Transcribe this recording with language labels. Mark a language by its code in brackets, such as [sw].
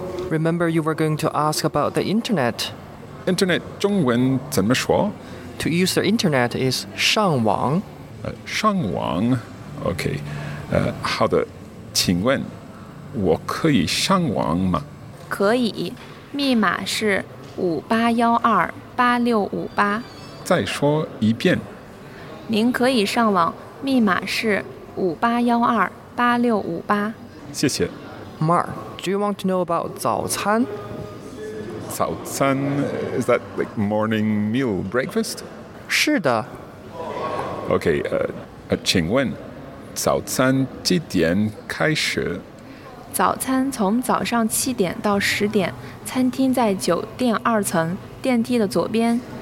[en] Remember you were going to ask about the internet. [zh] Internet 中文怎么说？ [en] To use the internet is 上网。 [zh] 上网， OK。好的，请问我可以上网吗？可以，密码是5812-8658。再说一遍。您可以上网，密码是5812-8658。谢谢。 [en] Mark, do you want to know about 早餐？早餐 is that like morning meal, breakfast? [zh] 是的。 OK, 请问早餐几点开始？早餐从早上7点到10点，餐厅在9店2层，电梯的左边。